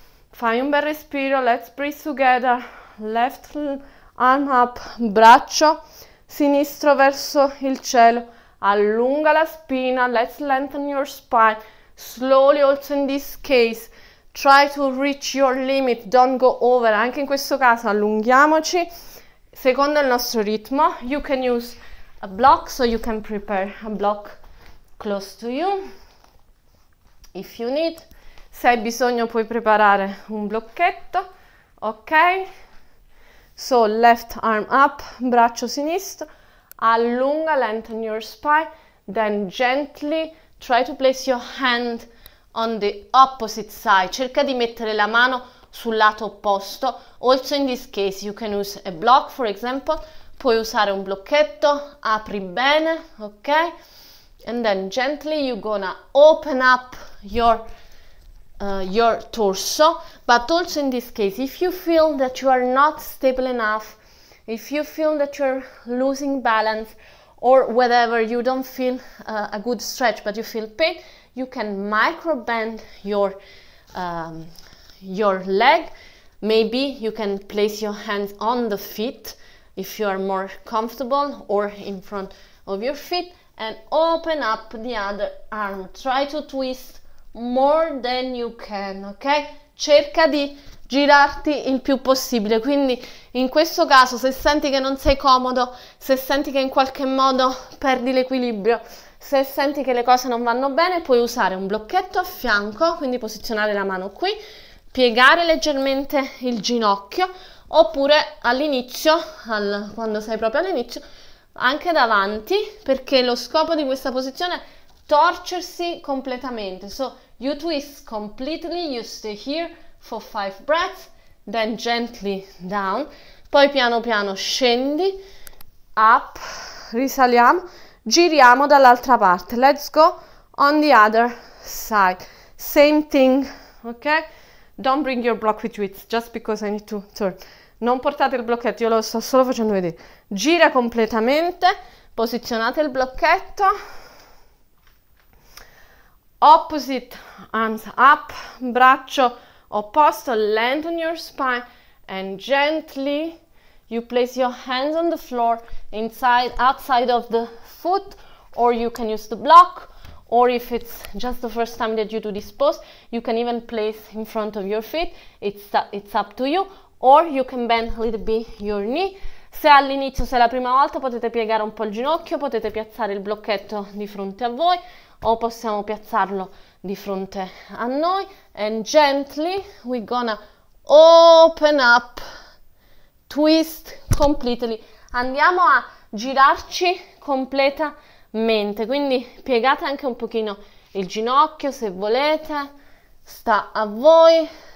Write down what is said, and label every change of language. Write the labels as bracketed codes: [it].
[it] Fai un bel respiro, [en] let's breathe together, left arm up, [it] braccio sinistro verso il cielo. Allunga la spina, [en] let's lengthen your spine. Slowly also in this case, try to reach your limit, don't go over. [it] Anche in questo caso allunghiamoci secondo il nostro ritmo. [en] You can use a block, so you can prepare a block close to you if you need. [it] Se hai bisogno puoi preparare un blocchetto, ok? [en] So left arm up, [it] braccio sinistro. Allunga, [en] lengthen your spine, then gently try to place your hand on the opposite side. [it] Cerca di mettere la mano sul lato opposto. [en] Also in this case you can use a block, for example. [it] Puoi usare un blocchetto, apri bene, ok? [en] And then gently you're gonna open up your torso. But also in this case, if you feel that you are not stable enough, if you feel that you're losing balance or whatever, you don't feel a good stretch but you feel pain, you can micro bend your leg. Maybe you can place your hands on the feet if you are more comfortable or in front of your feet and open up the other arm. Try to twist more than you can, ok? [it] Cerca di girarti il più possibile, quindi in questo caso se senti che non sei comodo, se senti che in qualche modo perdi l'equilibrio, se senti che le cose non vanno bene, puoi usare un blocchetto a fianco, quindi posizionare la mano qui, piegare leggermente il ginocchio, oppure all'inizio, quando sei proprio all'inizio, anche davanti, perché lo scopo di questa posizione è torcersi completamente. [en] So you twist completely, you stay here for 5 breaths, then gently down, [it] poi piano piano scendi, [en] up, [it] risaliamo, giriamo dall'altra parte. [en] Let's go on the other side. Same thing, ok? Don't bring your block with you, it's just because I need to turn. [it] Non portate il blocchetto, io lo sto solo facendo vedere. Gira completamente, posizionate il blocchetto. [en] Opposite arms up, [it] braccio opposto, [en] lengthen your spine and gently you place your hands on the floor inside, outside of the foot, or you can use the block, or if it's just the first time that you do this pose, you can even place in front of your feet, it's up to you, or you can bend a little bit your knee. [it] Se all'inizio, se è la prima volta, potete piegare un po' il ginocchio, potete piazzare il blocchetto di fronte a voi o possiamo piazzarlo di fronte a noi. [en] And gently we're gonna open up, twist completely. [it] Andiamo a girarci completamente, quindi piegate anche un pochino il ginocchio se volete, sta a voi.